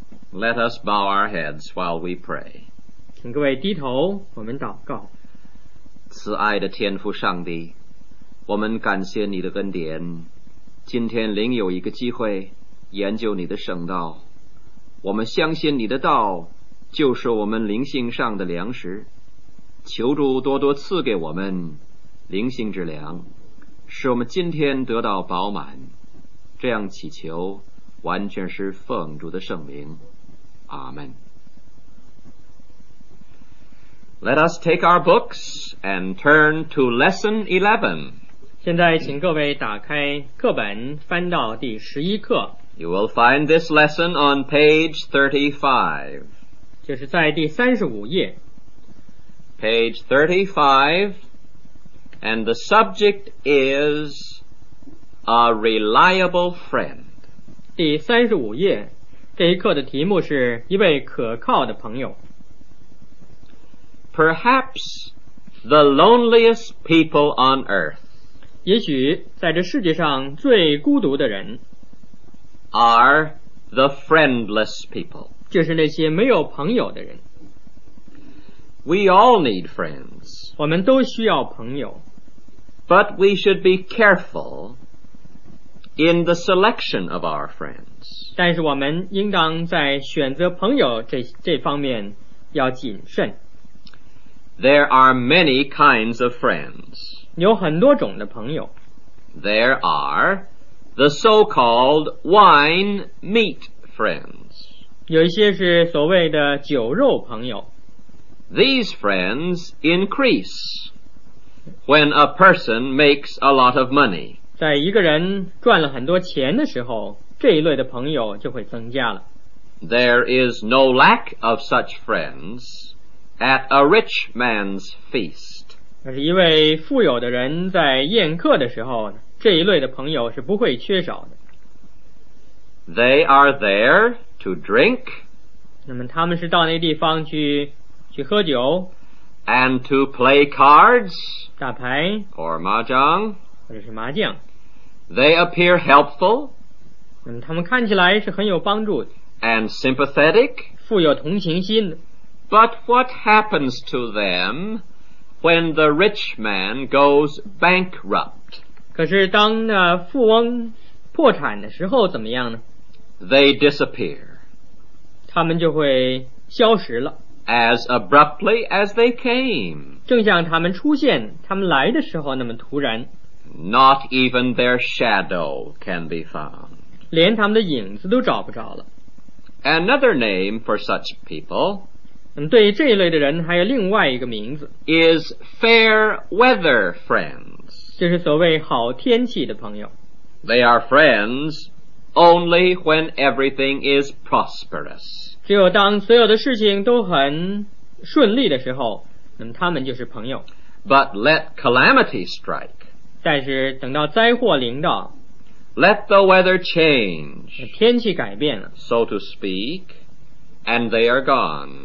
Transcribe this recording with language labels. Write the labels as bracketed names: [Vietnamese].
[English] Let us bow our heads while we pray. [Chinese] 请各位低头，我们祷告。慈爱的天父上帝，我们感谢你的恩典，今天另有一个机会研究你的圣道。我们相信你的道就是我们灵性上的粮食，求主多多赐给我们灵性之粮，使我们今天得到饱满。这样祈求完全是奉主的圣名，阿们。 [English] Let us take our books and turn to lesson 11. [Chinese] 现在请各位打开课本，翻到第十一课。 [English] You will find this lesson on page 35. [Chinese] 就是在第三十五页。 [English] Page 35, and the subject is a reliable friend. [Chinese] 第三十五页，这一课的题目是一位可靠的朋友。 [English] Perhaps the loneliest people on earth, [Chinese] 也许在这世界上最孤独的人， [English] are the friendless people, [Chinese] 就是那些没有朋友的人。 [English] We all need friends, [Chinese] 我们都需要朋友。 [English] But we should be careful in the selection of our friends. [Chinese] 但是我们应当在选择朋友这方面要谨慎。 [English] There are many kinds of friends. [Chinese] 有很多种的朋友。 [English] There are the so-called wine meat friends. [Chinese] 有一些是所谓的酒肉朋友。 [English] These friends increase when a person makes a lot of money. [Chinese] 在一个人赚了很多钱的时候，这一类的朋友就会增加了。 [English] There is no lack of such friends. At a rich man's feast. [Chinese] 那是一位富有的人在宴客的时候，这一类的朋友是不会缺少的。 [English] They are there to drink. [Chinese] 那么他们是到那地方去喝酒。 [English] And to play cards. [Chinese] 打牌。 [English] Or mahjong. [Chinese] 或者是麻将。 [English] They appear helpful. [Chinese] 那么他们看起来是很有帮助的。 [English] And sympathetic. [Chinese] 富有同情心的。 [English] But what happens to them when the rich man goes bankrupt? [Chinese] 可是当那富翁破产的时候怎么样呢？ [English] They disappear. [Chinese] 他们就会消失了。 [English] As abruptly as they came. [Chinese] 正像他们出现，他们来的时候那么突然。 [English] Not even their shadow can be found. [Chinese] 连他们的影子都找不着了。 [English] Another name for such people. [Chinese] 对于这一类的人还有另外一个名字， [English] is fair weather friends， [Chinese] 就是所谓好天气的朋友。 [English] They are friends only when everything is prosperous， [Chinese] 只有当所有的事情都很顺利的时候，那么他们就是朋友。 [English] But let calamity strike， [Chinese] 但是等到灾祸临到， [English] Let the weather change， [Chinese] 天气改变了， [English] So to speakAnd they are gone.